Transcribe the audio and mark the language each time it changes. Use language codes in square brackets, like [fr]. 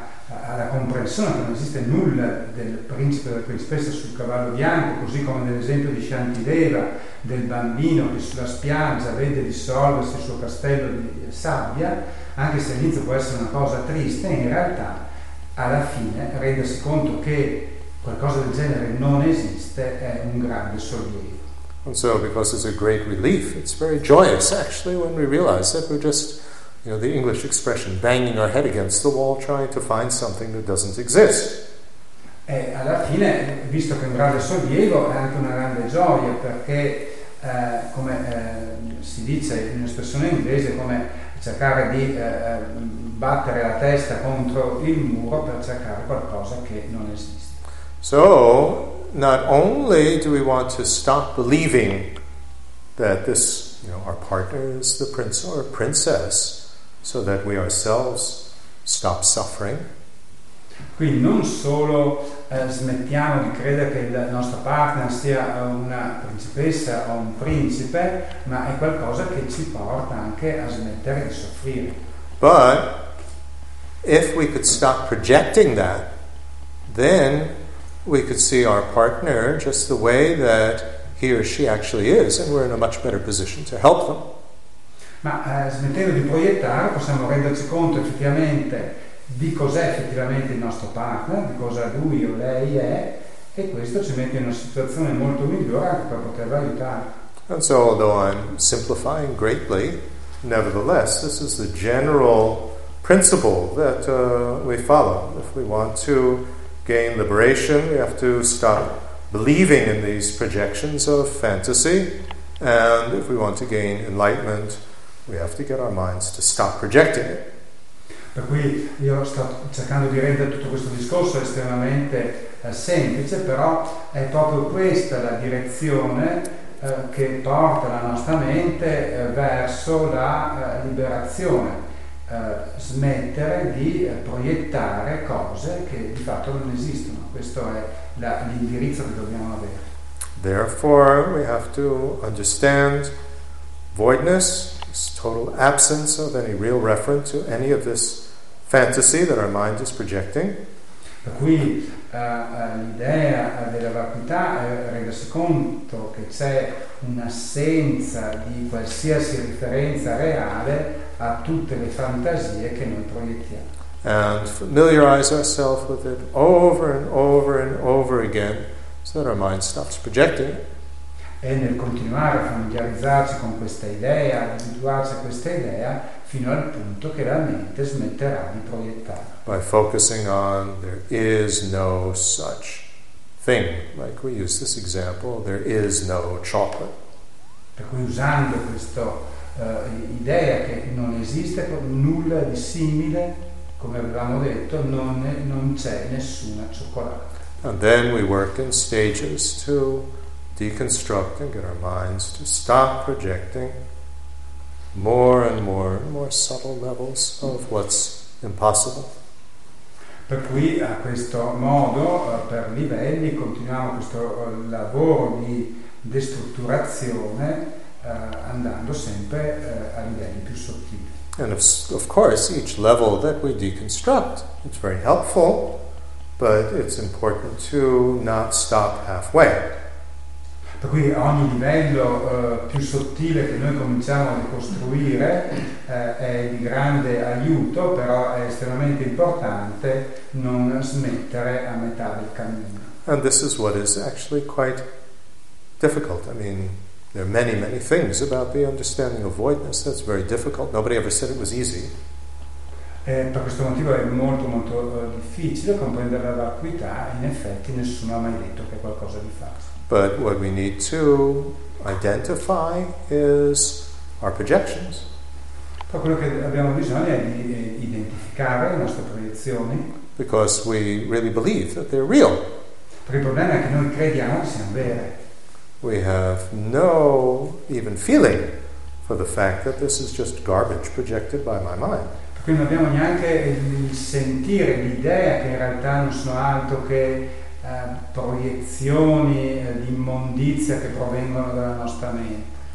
[it] alla comprensione che non esiste nulla del principe e della principessa sul cavallo bianco, così come nell'esempio di Shantideva, del bambino che sulla spiaggia vede dissolversi il suo castello di sabbia, anche se all'inizio può essere una cosa triste, in realtà alla fine rendersi conto che qualcosa del genere non esiste è un grande sollievo. [en] And so, because it's a great relief, it's very joyous actually when we realize that we're just, you know, the English expression, banging our head against the wall trying to find something that doesn't exist. [it] E alla fine, visto che è un grande sollievo, è anche una grande gioia, perché come si dice in espressione inglese, come cercare di battere la testa contro il muro per cercare qualcosa che non esiste. [en] So, not only do we want to stop believing that this, you know, our partner is the prince or princess, so that we ourselves stop suffering. [it] Quindi non solo smettiamo di credere che il nostro partner sia una principessa o un principe, ma è qualcosa che ci porta anche a smettere di soffrire. [en] But if we could stop projecting that, then we could see our partner just the way that he or she actually is, and we're in a much better position to help them. [it] Ma smettendo di proiettare possiamo renderci conto effettivamente di cos'è effettivamente il nostro partner, di cosa lui o lei è, e questo ci mette in una situazione molto migliore anche per poterlo aiutare. [en] And so, although I'm simplifying greatly, nevertheless, this is the general principle that we follow. If we want to gain liberation, we have to stop believing in these projections of fantasy, and if we want to gain enlightenment, we have to get our minds to stop projecting it. [it] Per cui io sto cercando di rendere tutto questo discorso estremamente semplice, però è proprio questa la direzione che porta la nostra mente verso la liberazione. Smettere di proiettare cose che di fatto non esistono. Questo è l'indirizzo che dobbiamo avere. [en] Therefore, we have to understand voidness, total absence of any real reference to any of this fantasy that our mind is projecting. [it] Per cui l'idea della vacuità è rendersi conto che c'è un'assenza di qualsiasi referenza reale a tutte le fantasie che noi proiettiamo. [en] And familiarize ourselves with it over and over and over again so that our mind stops projecting. [it] E nel continuare a familiarizzarci con questa idea, ad abituarci a questa idea, fino al punto che la mente smetterà di proiettare. [en] By focusing on there is no such thing, like we use this example, there is no chocolate. [it] Per cui usando questa idea che non esiste nulla di simile, come avevamo detto, non c'è nessuna cioccolata. [en] And then we work in stages to deconstruct and get our minds to stop projecting more and more and more subtle levels of what's impossible. [it] Per cui a questo modo, per livelli, continuiamo questo lavoro di destrutturazione andando sempre a livelli più sottili. [en] And of course each level that we deconstruct, it's very helpful, but it's important to not stop halfway. [it] Per cui ogni livello più sottile che noi cominciamo a ricostruire è di grande aiuto, però è estremamente importante non smettere a metà del cammino. [en] And this is what is actually quite difficult. I mean, there are many, many things about the understanding of voidness that's very difficult. Nobody ever said it was easy. [it] Per questo motivo è molto, molto difficile comprendere la vacuità. In effetti nessuno ha mai detto che è qualcosa di facile. [en] But what we need to identify is our projections. [it] Però quello che abbiamo bisogno è di identificare le nostre proiezioni. [en] Because we really believe that they're real. [it] Perché il problema è che noi crediamo che siano vere. [en] We have no even feeling for the fact that this is just garbage projected by my mind. [it] Per cui non abbiamo neanche il sentire, l'idea che in realtà non sono altro che proiezioni di immondizia che provengono dalla nostra mente.